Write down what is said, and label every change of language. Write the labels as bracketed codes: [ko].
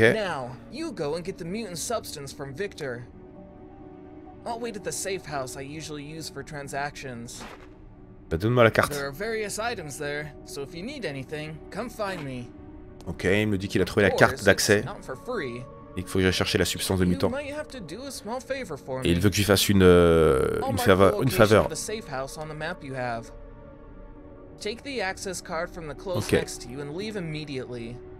[en] Now, you go and get the mutant substance from Victor. I'll wait at the safe house I usually use for transactions. [fr] Bah donne-moi la carte. [en] There are various items there, so if you need anything, come find me. [fr] Ok, il me dit qu'il a trouvé la carte d'accès. Il faut que j'aille chercher la substance de mutant. Et il veut que j'y fasse une faveur. [en] The safe house on the map you have. Take the access card from the close next to you and leave immediately.